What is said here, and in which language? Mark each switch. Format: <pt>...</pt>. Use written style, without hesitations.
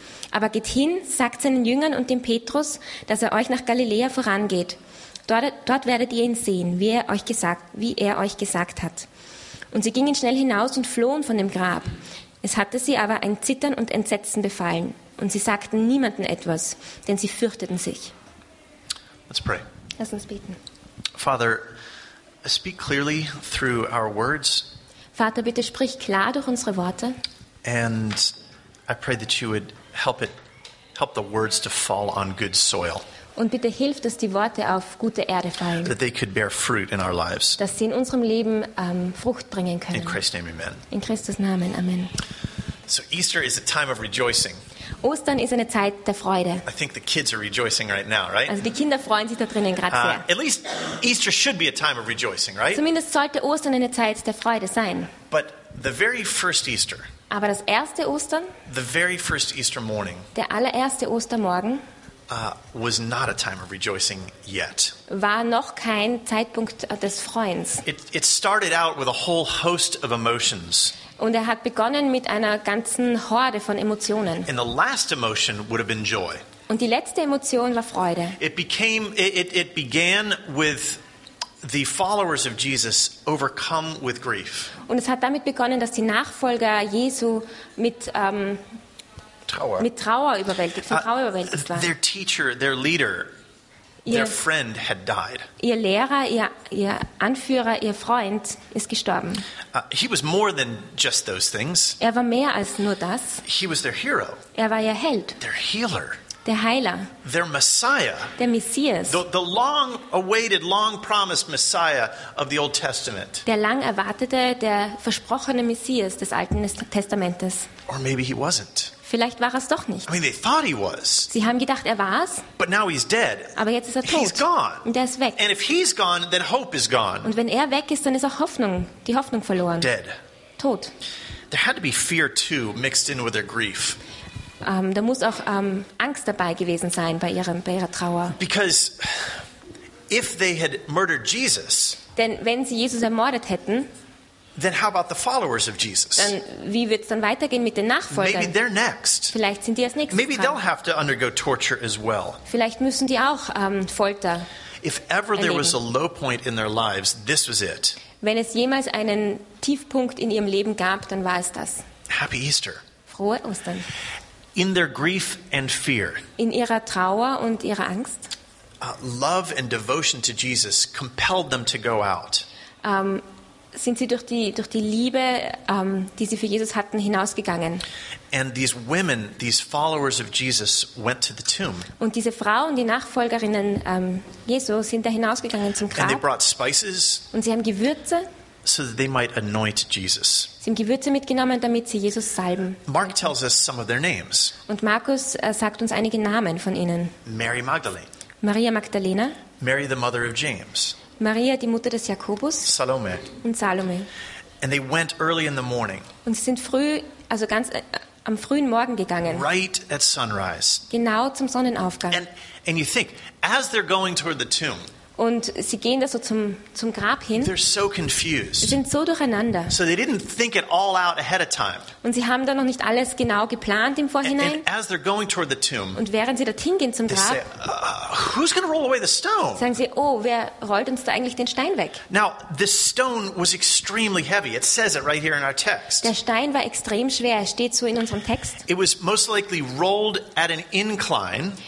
<de>Aber geht hin, sagt seinen Jüngern und dem Petrus, dass er euch nach Galiläa vorangeht. Dort werdet ihr ihn sehen, wie er euch gesagt hat. Und sie gingen schnell hinaus und flohen von dem Grab. Es hatte sie aber ein Zittern und Entsetzen befallen. Und sie sagten niemandem etwas, denn sie fürchteten sich.</de> <en>Let's pray.</en> <de>Lass uns beten.</de> <en>Father, speak clearly through our words.</en> <de>Vater, bitte sprich klar durch unsere Worte.</de> <en>And I pray that you would help the words to fall on good soil.</en> <de>Und bitte hilf, dass die Worte auf gute Erde fallen.</de> <en>That they could bear fruit in our lives.</en> <de>Dass sie in unserem Leben Frucht bringen können.</de> <en>In Christ's name, amen.</en> <de>In Christus Namen, amen.</de> <en>So Easter is a time of rejoicing.</en> <de>Ostern ist eine Zeit der Freude.</de> <en>I think the kids are rejoicing right now, right?</en> <de>Also die Kinder freuen sich da drinnen gerade sehr.</de> <en>At least Easter should be a time of rejoicing, right?</en> <de>Zumindest sollte Ostern eine Zeit der Freude sein.</de> <en>But the very first Easter.</en> <de>Aber das erste Ostern.</de> <en>The very first Easter morning.</en> <de>Der allererste Ostermorgen.</de> <en>Was not a time of rejoicing yet.</en> <de>War noch kein Zeitpunkt des Freuens.</de> <en>It started out with a whole host of emotions.</en> <de>Und er hat begonnen mit einer ganzen Horde von Emotionen.</de> <en>And the last emotion would have been joy.</en> <de>Und die letzte Emotion war Freude.</de> <en>It began with the followers of Jesus overcome with grief.</en> <de>Und es hat damit begonnen, dass die Nachfolger Jesu mit Trauer überwältigt waren.</de> <en>Their teacher, their leader, their friend had died.</en> <de>Ihr Lehrer, ihr Anführer, ihr Freund ist gestorben.</de> <en>He was more than just those things.</en> <de>Er war mehr als nur das.</de> <en>He was their hero.</en> <de>Er war ihr Held.</de> <en>Their healer.</en> <de>Der Heiler.</de> <en>Their Messiah.</en> <de>Der Messias.</de> <en>The long awaited, long promised Messiah of the Old Testament.</en> <de>Der lang erwartete, der versprochene Messias des Alten Testamentes.</de> <en>Or maybe he wasn't.</en> <de>Vielleicht war es doch nicht.</de> <en>I mean, they thought he was.</en> <de>Sie haben gedacht, er war es.</de> <en>But now he's dead.</en> <de>Aber jetzt ist er tot.</de> <en>He's gone.</en> <de>Und er ist weg.</de> <en>And if he's gone, then hope is gone.</en> <de>Und wenn er weg ist, dann ist auch Hoffnung, die Hoffnung verloren.</de> <en>Dead.</en> <de>Tot.</de> <en>There had to be fear too mixed in with their grief.</en> <de>Da muss auch Angst dabei gewesen sein bei ihrer Trauer.</de> <en>Because if they had murdered Jesus,</en> <de>denn wenn sie Jesus ermordet hätten,</de> <en>then how about the followers of Jesus?</en> <de>Dann wie wird's dann weitergehen mit den Nachfolgern?</de> <en>Maybe they're next.</en> <de>Vielleicht sind die als nächstes.</de> <en>Maybe they'll have to undergo torture as well.</en> <de>Vielleicht müssen die auch Folter erleben.</de> <en>If ever there was a low point in their lives, this was it.</en> <de>Wenn es jemals einen Tiefpunkt in ihrem Leben gab, dann war es das.</de> <en>Happy Easter.</en> <de>Frohe Ostern.</de> <en>In their grief and fear.</en> <de>In ihrer Trauer und ihrer Angst.</de> <en>Love and devotion to Jesus compelled them to go out.</en> <de>Sind sie durch die Liebe, die sie für Jesus hatten, hinausgegangen?</de> <en>And these women, these followers of Jesus, went to the tomb.</en> <de>Und diese Frauen, die Nachfolgerinnen Jesu, sind da hinausgegangen zum Grab.</de> <en>And they brought spices.</en> <de>Und sie haben Gewürze.</de> <en>So that they might anoint Jesus.</en> <de>Sie haben Gewürze mitgenommen, damit sie Jesus salben.</de> <en>Mark tells us some of their names.</en> <de>Und Markus sagt uns einige Namen von ihnen.</de> <en>Mary Magdalene.</en> <de>Maria Magdalena.</de> <en>Mary the mother of James.</en> <de>Maria, die Mutter des Jakobus,</de> <en>Salome.</en> <de>Und Salome.</de> <en>And they went early in the morning.</en> <de>Und sie sind früh, also ganz am frühen Morgen gegangen.</de> <en>Right at sunrise.</en> <de>Genau zum Sonnenaufgang.</de> <en>And you think, as they're going toward the tomb.</en> <de>Und sie gehen da so zum Grab hin.</de> <en>They're so confused.</en> <de>Sie sind so durcheinander.</de> <en>So they didn't think it all out ahead of time.</en> <de>Und sie haben da noch nicht alles genau geplant im Vorhinein.</de> <en>And as they're going toward the tomb.</en> <de>Und während sie dorthin gehen zum Grab.</de> <en>Who's going to roll away the stone?</en> <de>Sagen sie, oh, wer rollt uns da eigentlich den Stein weg?</de> <en>Now, the stone was extremely heavy. It says it right here in our text.</en> <de>Der Stein war extrem schwer, steht so in unserem Text.</de> <en>It was most likely rolled at an incline.</en>